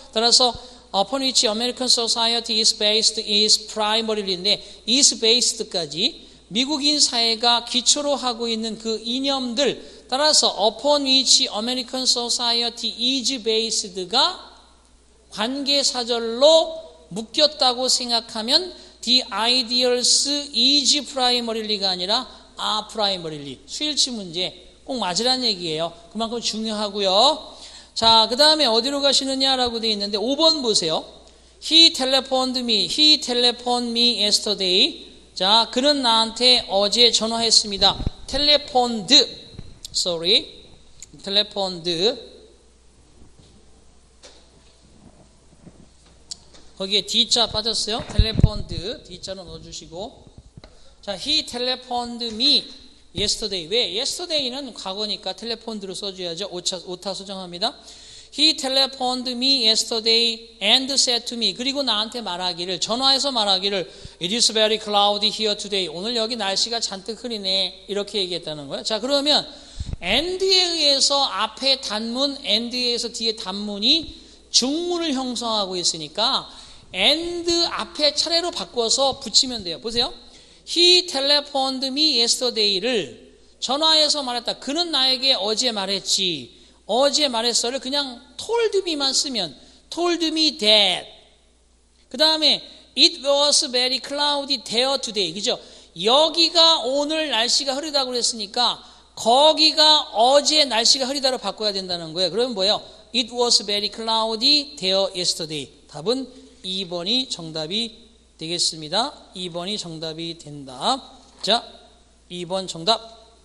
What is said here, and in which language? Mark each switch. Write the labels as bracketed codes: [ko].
[ko] 따라서 [en] upon which American society is based is primarily인데 is based까지 [ko] 미국인 사회가 기초로 하고 있는 그 이념들, [en] 따라서 upon which American society is based가 [ko] 관계사절로 묶였다고 생각하면 [en] the ideals is primarily [ko] 가 아니라 [en] are primarily, [ko] 수일치 문제 꼭 맞으란 얘기예요. 그만큼 중요하고요. 자, 그 다음에 어디로 가시느냐라고 되어 있는데 5번 보세요. [en] He telephoned me. He telephoned me yesterday. [ko] 자, 그는 나한테 어제 전화했습니다. [en] Telephoned. Sorry. Telephoned. [ko] 거기에 D자 빠졌어요. Telephoned. D자는 넣어주시고. [en] 자, he telephoned me. Yesterday. 왜? [ko] Yesterday는 과거니까 telephoned로 써줘야죠. 오타 수정합니다. [en] He telephoned me yesterday and said to me. [ko] 그리고 나한테 말하기를, 전화해서 말하기를, [en] It is very cloudy here today. [ko] 오늘 여기 날씨가 잔뜩 흐리네. 이렇게 얘기했다는 거예요. 자, 그러면 and에 의해서 앞에 단문, and에 의해서 뒤에 단문이 중문을 형성하고 있으니까 and 앞에 차례로 바꿔서 붙이면 돼요. 보세요. [en] He telephoned me yesterday를 [ko] 전화해서 말했다. 그는 나에게 어제 말했지. 어제 말했어를 그냥 told me만 쓰면 [en] told me that. 그 다음에 it was very cloudy there today. [ko] 그죠? 여기가 오늘 날씨가 흐리다고 그랬으니까 거기가 어제 날씨가 흐리다로 바꿔야 된다는 거예요. 그러면 뭐예요? [en] It was very cloudy there yesterday. [ko] 답은 2번이 정답이 되겠습니다. 2번이 정답이 된다. 자, 2번 정답.